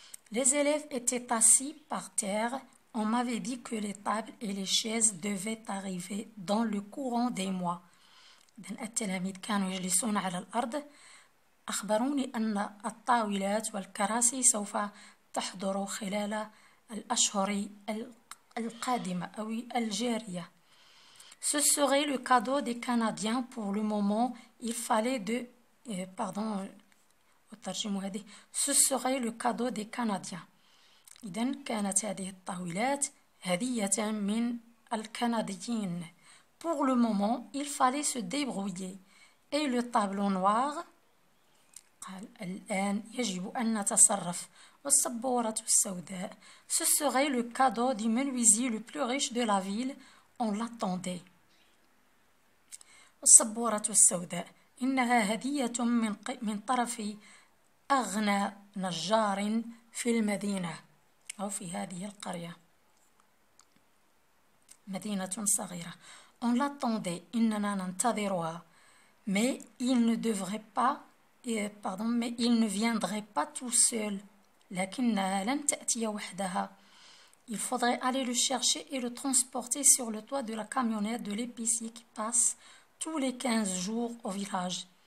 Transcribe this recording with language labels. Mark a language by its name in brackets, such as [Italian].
[French] Les élèves étaient assis par terre. On m'avait dit que les tables et les chaises devaient arriver dans le courant des mois. [Arabic] التلاميذ كانوا يجلسون على الأرض. أخبروني أن الطاولات والكراسي سوف تحضر خلال الأشهر القادمة أو الجارية. [French] Ce serait le cadeau des Canadiens pour le moment. Il fallait de... [Arabic] pardon, أترجم هذه. [French] Ce serait le cadeau des Canadiens. [Arabic] إذن كانت هذه الطاولات هدية من الكنديين. [French] Pour le moment, il fallait se débrouiller. Et le tableau noir? [Arabic] قال الآن يجب أن نتصرف. والسبورة السوداء. [French] Ce serait le cadeau du menuisier le plus riche de la ville. On l'attendait. [Arabic] والسبورة السوداء. إنها هدية من طرف أغنى نجار في المدينة. أو في هذه القرية. مدينة صغيرة. [French] On l'attendait, [Arabic] إننا ننتظرها. [French] Mais il ne devrait pas, pardon, mais il ne viendrait pas tout seul. [Arabic] لكنها لن تأتي وحدها. [French] Il faudrait aller le chercher et le transporter sur le toit de la camionnette de l'épicier qui passe tous les 15 jours au village.